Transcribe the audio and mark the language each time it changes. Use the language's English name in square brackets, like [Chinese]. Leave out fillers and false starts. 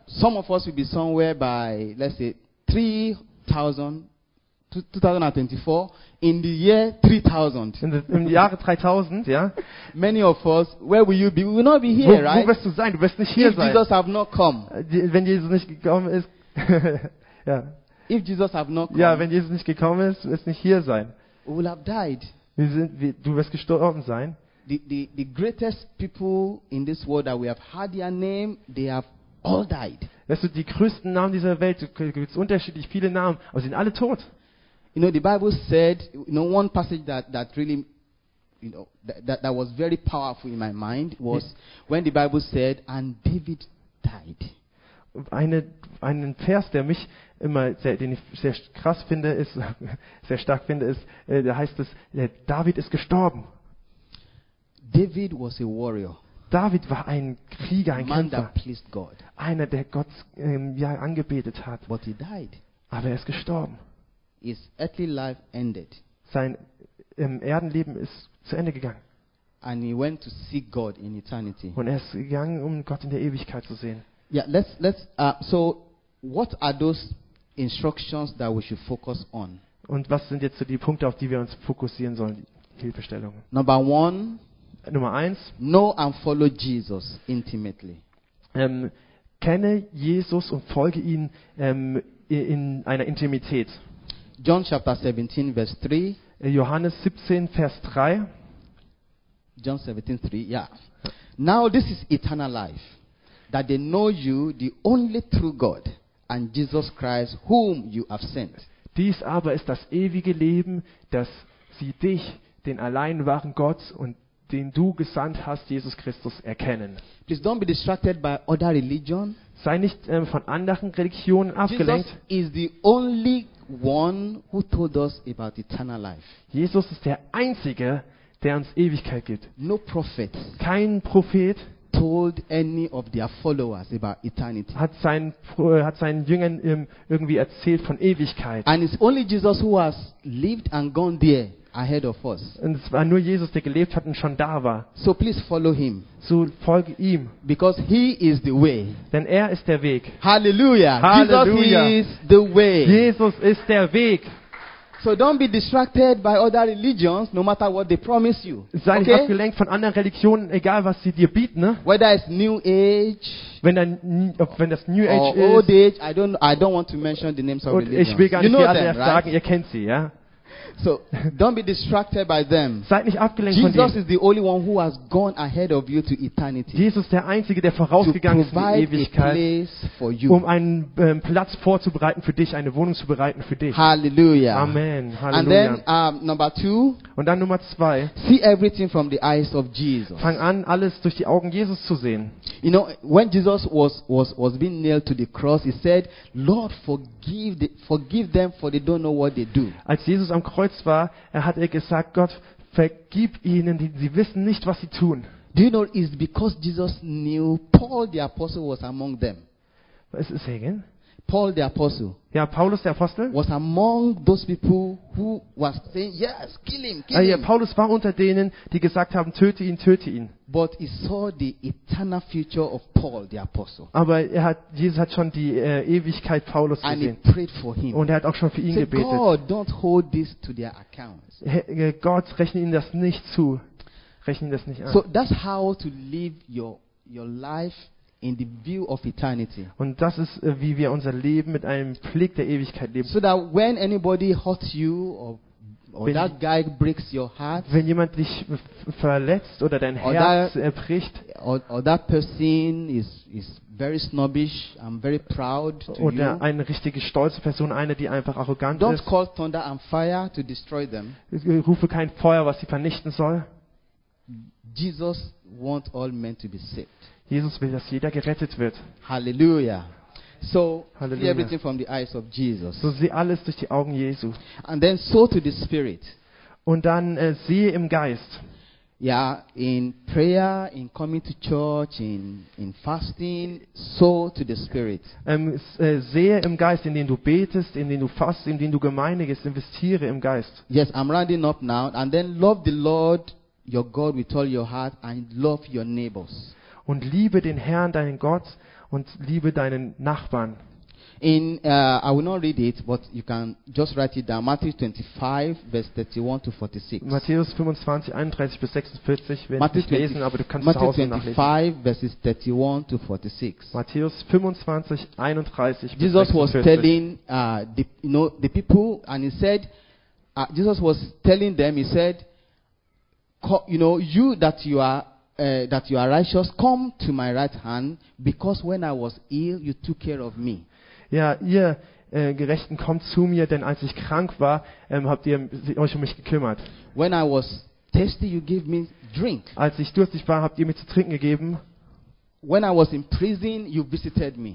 [English] Some of us will be somewhere by let's say 3,000. 2024 in the year 3000. [German] Im Jahre 3000, ja. [English] Many of us, where will you be? We will not be here, [German] wo, [English] right? [German] Wo wirst du sein? Du wirst nicht hier [English] if [German] sein. [English] Jesus have not come. [German] Wenn Jesus nicht gekommen ist, ja. [English] If Jesus have not come. [German] Ja, wenn Jesus nicht gekommen ist, wirst du nicht hier sein. [English] We will have died. [German] Du wirst gestorben sein. [English] The greatest people in this world that we have had their name, they have all died. [German] Weißt du, die größten Namen dieser Welt, gibt es unterschiedlich viele Namen, aber sie sind alle tot. [English] You know, the Bible said, you know, one passage that really, you know, that was very powerful in my mind was when the Bible said, and David died. [German] Einen Vers, der mich immer sehr, den ich sehr krass finde, ist, sehr stark finde, ist, da heißt es, David ist gestorben. [English] David was a warrior. [German] David war ein Krieger, ein [English] man [German] Kämpfer. [English] That pleased God. [German] Einer, der Gott angebetet hat. [English] But he died. [German] Aber er ist gestorben. [English] His earthly life ended. [German] Sein Erdenleben ist zu Ende gegangen. [English] And he went to see God in eternity. [German] Und er ist gegangen, um Gott in der Ewigkeit zu sehen. [English] Yeah, so what are those instructions that we should focus on? [German] Und was sind jetzt so die Punkte, auf die wir uns fokussieren sollen, die Hilfestellungen? [English] Number one. [German] Nummer eins. [English] Know and follow Jesus intimately. [German] Kenne Jesus und folge ihm in einer Intimität. [English] John chapter 17 verse 3. [German] Johannes 17 Vers 3. [English] John 17:3. Yeah. Now this is eternal life, that they know you, the only true God, and Jesus Christ, whom you have sent. [German] Dies aber ist das ewige Leben, dass sie dich, den allein wahren Gott und den du gesandt hast, Jesus Christus, erkennen. [English] Please don't be distracted by other religion. [German] Sei nicht von anderen Religionen abgelenkt. [English] Jesus is the only one who told us about eternal life. [German] Jesus ist der einzige, der uns Ewigkeit gibt. [English] No prophet. [German] Kein Prophet [English] told any of their followers about eternity. [German] Hat seinen Jüngern irgendwie erzählt von Ewigkeit. [English] And it's only Jesus who has lived and gone there ahead of us. [German] Und es war nur Jesus, der gelebt hat und schon da war. [English] So please follow him. [German] So folge ihm. [English] Because he is the way. [German] Denn er ist der Weg. Hallelujah. Hallelujah. [English] Jesus is the way. [German] Jesus ist der Weg. [English] So don't be distracted by other religions, no matter what they promise you. [German] Sei nicht abgelenkt von anderen Religionen, egal was sie dir bieten. [English] Whether it's New Age. [German] Wenn das New Age ist. [English] Old Age. I don't want to mention the names of religions. [German] Ich will gar nicht die alle sagen. Right? Ihr kennt sie, ja. [English] So don't be distracted by them. [German] Seid nicht abgelenkt [English] Jesus [German] von ihnen. [English] Jesus is the only one who has gone ahead of you to eternity. [German] Jesus der einzige, der vorausgegangen ist in die Ewigkeit, um einen Platz vorzubereiten für dich, eine Wohnung zu bereiten für dich. Hallelujah. Amen. Hallelujah. [English] And then number two. [German] Und dann Nummer zwei. [English] See everything from the eyes of Jesus. [German] Fang an, alles durch die Augen Jesus zu sehen. [English] You know, when Jesus was being nailed to the cross, he said, "Lord, forgive them, for they don't know what they do." [German] Als Jesus am Kreuz war, hat er gesagt, Gott, vergib ihnen, sie wissen nicht, was sie tun. [English] Do you know, it's because Jesus knew Paul the Apostle was among them. [German] Was ist sagen? [English] Paul the Apostle. [German] Ja, Paulus der Apostel. [English] Was among those people who was saying, yes, kill him, kill him. [German] Ja, Paulus war unter denen, die gesagt haben, töte ihn, töte ihn. [English] But he saw the eternal future of Paul the Apostle. [German] Aber Jesus hat schon die Ewigkeit Paulus gesehen. [English] And he prayed for him. [German] Und hat auch schon für ihn gebetet. [English] God, don't hold this to their accounts. [German] Gott, rechne ihnen das nicht zu. Rechne ihnen das nicht an. [English] So that's how to live your life in the view of eternity. [German] Und das ist wie wir unser Leben mit einem Blick der Ewigkeit leben. [English] So that when anybody hurts you or that guy breaks your heart, [German] wenn jemand dich verletzt oder dein Herz bricht, [English] or that person is very snobbish and very proud to you, [German] oder eine richtige stolze Person, eine die einfach arrogant [English] don't [German] ist, [English] don't call thunder and fire to destroy them. [German] Rufe kein Feuer, was sie vernichten soll. [English] Jesus wants all men to be saved. [German] Jesus will, dass jeder gerettet wird. Halleluja. So, Halleluja. [English] See everything from the eyes of Jesus. [German] So sieh alles durch die Augen Jesu. [English] And then so to the Spirit. [German] Und dann sehe im Geist. [English] Ja, in prayer, in coming to church, in fasting, so to the Spirit. [German] Sehe im Geist, indem du betest, indem du fastest, indem du Gemeinde gehst, investiere im Geist. [English] Yes, I'm rounding up now. And then love the Lord, your God, with all your heart, and love your neighbors. [German] Und liebe den Herrn, deinen Gott, und liebe deinen Nachbarn. [English] In I will not read it, but you can just write it down. Matthew 25, verse 31 to 46. [German] Matthäus 25, 31 bis 46. Wir werden nicht lesen, aber du kannst es zu Hause nachlesen. Matthäus 25, 31 bis 46. [English] Jesus was telling the people, and he said, Jesus was telling them, he said, you know, you that you are that you are righteous, come to my right hand, because when I was ill, you took care of me. [German] Ja, ihr Gerechten, kommt zu mir, denn als ich krank war, habt ihr euch um mich gekümmert. [English] When I was thirsty, you gave me drink. [German] Als ich durstig war, habt ihr mir zu trinken gegeben. [English] When I was in prison, you visited me.